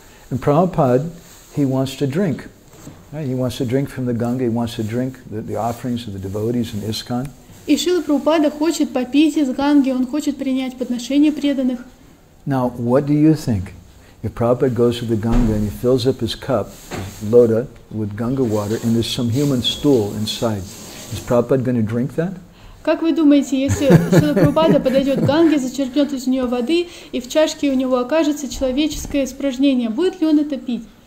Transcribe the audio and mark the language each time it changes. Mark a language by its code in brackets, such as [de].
[en] And Prabhupada, he wants to drink. Right? He wants to drink from the Ganga. He wants to drink the offerings of the devotees in ISKCON. [ru] И Шрила Прабхупада хочет попить из Ганги. Он хочет принять подношение преданных. [en] Now, what do you think? If Prabhupada goes to the Ganga and he fills up his cup, his loda, with Ganga water, and there's some human stool inside, is Prabhupada going to drink that? [ru] Как вы думаете, если Шрила Прабхупада подойдет к Ганге, зачерпнет из нее воды, и в чашке у него окажется человеческое испражнение, будет ли он это пить?